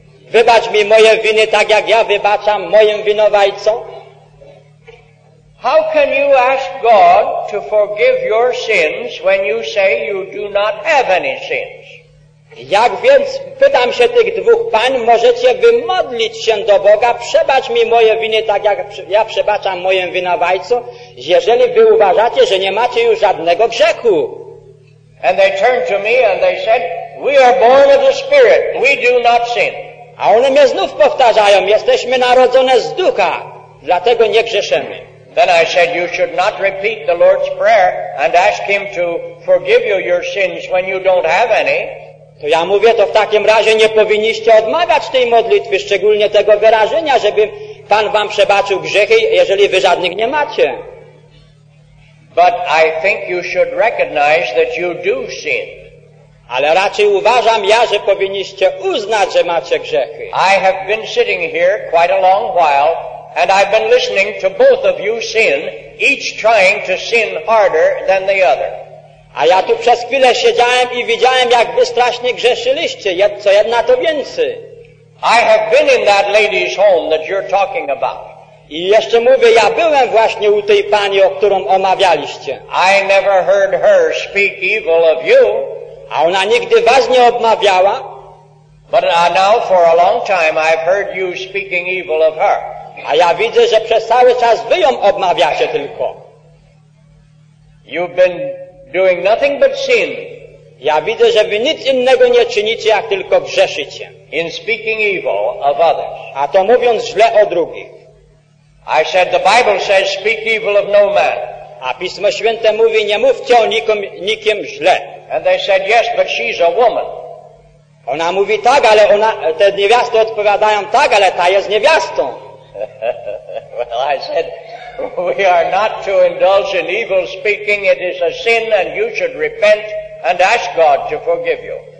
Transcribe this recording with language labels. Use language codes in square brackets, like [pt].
[pl] Wybacz mi moje winy tak jak ja wybaczam moim winowajcom. [en] How can you ask God to forgive your sins when you say you do not have any sins? [pl] Jak więc, pytam się tych dwóch pań, możecie wy modlić się do Boga, przebacz mi moje winy tak jak ja przebaczam moim winowajcom, jeżeli wy uważacie, że nie macie już żadnego grzechu? [en] And they turned to me and they said, we are born of the Spirit, we do not sin. [pl] A one mnie znów powtarzają, jesteśmy narodzone z ducha, dlatego nie grzeszymy. [en] Then I said, you should not repeat the Lord's Prayer and ask Him to forgive you your sins when you don't have any. [pl] To ja mówię, to w takim razie nie powinniście odmawiać tej modlitwy, szczególnie tego wyrażenia, żeby Pan wam przebaczył grzechy, jeżeli wy żadnych nie macie. [en] But I think you should recognize that you do sin. [pl] Ale raczej uważam ja, że powinniście uznać, że macie grzechy. [en] I have been sitting here quite a long while. And I've been listening to both of you sin, each trying to sin harder than the other. [pl] A ja tu przez chwilę siedziałem i widziałem, jak wy strasznie grzeszyliście, co jedna to więcej. [en] I have been in that lady's home that you're talking about. [pl] I jeszcze mówię, ja byłem właśnie u tej pani, o którą omawialiście. [en] I never heard her speak evil of you. [pl] A ona nigdy was nie obmawiała. [en] But now for a long time I've heard you speaking evil of her. [pl] A ja widzę, że przez cały czas wy ją obmawiacie tylko. [en] You've been doing nothing but sin. [pl] Ja widzę, że wy nic innego nie czynicie, jak tylko grzeszycie. [en] In speaking evil of others. [pl] A to mówiąc źle o drugich. [en] I said, the Bible says, speak evil of no man. [pl] A Pismo Święte mówi, nie mówcie o nikim źle. [en] And they said, yes, but she's a woman. [pl] Ona mówi tak, ale ona, te niewiasty odpowiadają tak, ale ta jest niewiastą. [en] Well, I said, we are not to indulge in evil speaking. It is a sin and you should repent and ask God to forgive you.